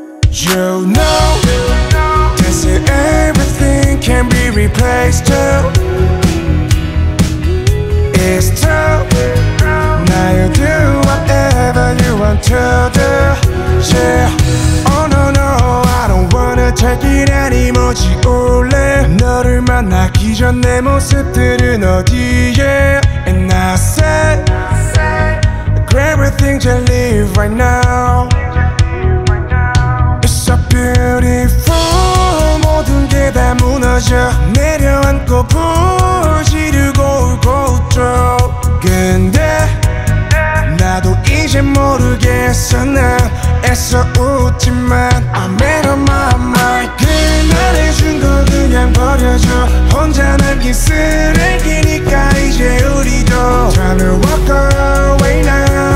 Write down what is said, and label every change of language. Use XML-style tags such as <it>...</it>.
<en>You know, they say everything can be replaced too. It's true. Now you do whatever you want to do. Yeah. Oh no no, I don't wanna take it anymore.</en> <ko>지울래. 너를 만나기 전 내 모습들은 어디에?</ko> <en>And I said. Everything to leave right now. It's so beautiful.</en> <ko>모든 게 다 무너져 내려앉고 부지르고 울고 웃죠. 근데 나도 이제 모르겠어. 난 애써 웃지만</ko> <en>I'm out of my mind.</en> <ko>그날 해준 거 그냥 버려줘. 혼자 남긴 쓰레기니까 이제 우리도</ko> <en>Time to walk away now.</en>